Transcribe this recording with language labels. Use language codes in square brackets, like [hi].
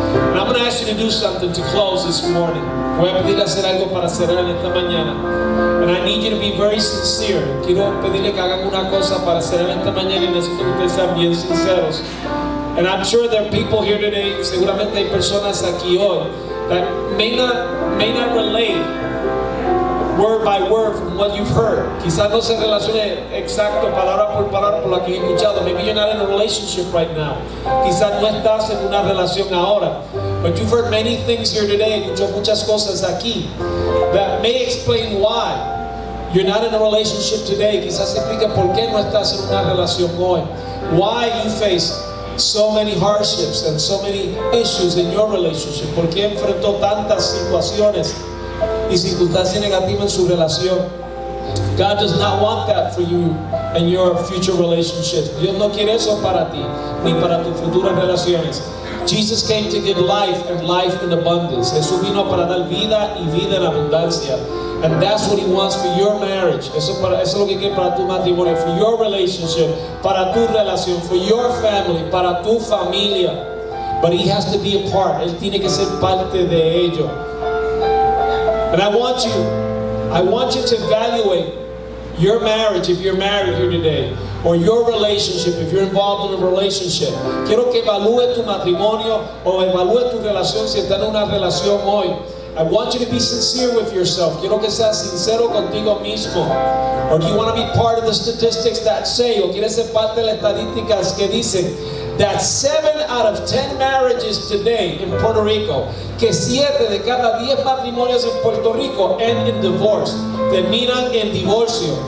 [en] And I'm going to ask you to do something to close this morning. [es] Voy a pedir hacer algo para cerrar en esta mañana. [en] And I need you to be very sincere. [es] Quiero pedirle que hagan una cosa para cerrar esta mañana y necesito que ustedes sean bien sinceros. [en] And I'm sure there are people here today, [es] seguramente hay personas aquí hoy, [en] that may not relate word by word from what you've heard. [es] Quizás no se relacione exacto palabra por palabra por lo que he escuchado. [en] Maybe you're not in a relationship right now. [es] Quizás no estás en una relación ahora. [en] But you've heard many things here today. [es] Escuchó muchas cosas aquí [en] that may explain why you're not in a relationship today. [es] Quizás explica por qué no estás en una relación hoy. [en] Why you face so many hardships and so many issues in your relationship. [es] Por qué enfrentó tantas situaciones y circunstancias negativas en su relación. [en] God does not want that for you and your future relationships. [es] Dios no quiere eso para ti ni para tus futuras relaciones. [en] Jesus came to give life and life in abundance. [es] Jesús vino para dar vida y vida en abundancia. [en] And that's what he wants for your marriage. [es] Eso es lo que quiere para tu matrimonio, [en] for your relationship, [es] para tu relación, [en] for your family, [es] para tu familia. [en] But he has to be a part. [es] Él tiene que ser parte de ello. [en] And I want you to evaluate your marriage if you're married here today, or your relationship if you're involved in a relationship. [es] Quiero que evalúe tu matrimonio o evalúe tu relación si estás en una relación hoy. [en] I want you to be sincere with yourself. [es] Quiero que seas sincero contigo mismo. [en] Or do you want to be part of the statistics that say, [es] o quieres ser parte de las estadísticas que dicen, [en] that 7 out of 10 marriages today in Puerto Rico, [es] que 7 de cada 10 matrimonios en Puerto Rico [en] end in divorce, [es] terminan en divorcio.